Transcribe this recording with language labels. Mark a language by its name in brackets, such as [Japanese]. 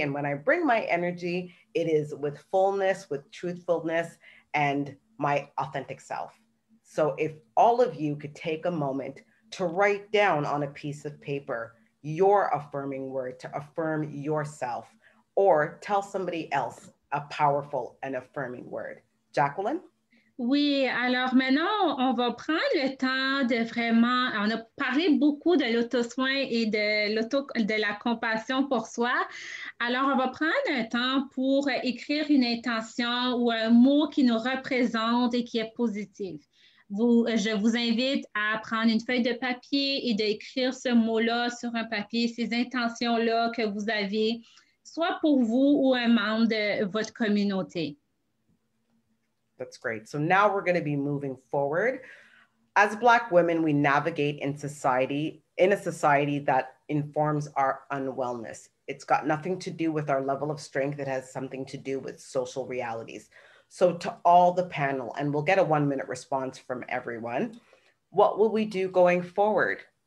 [English] And when I bring my energy, it is with fullness, with truthfulness, and my authentic self. So if all of you could take a moment to write down on a piece of paper your affirming word to affirm yourself or tell somebody else a powerful and affirming word. Jacklyn? [French] Oui, alors maintenant, on va prendre le temps de vraiment, on a parlé beaucoup de l'auto-soin et de la compassion pour soi. Alors, on va prendre un temps pour écrire une intention ou un mot qui nous représente et qui est positif. Je vous invite à prendre une feuille de papier et d'écrire ce mot-là sur un papier, ces intentions-là que vous avez, soit pour vous ou un membre de votre communauté. [English] That's great. So now we're going to be moving forward. As Black women, we navigate in society, in a society that informs our unwellness. It's got nothing to do with our level of strength. It has something to do with social realities. So to all the panel, and we'll get a 1 minute response from everyone, what will we do going forward?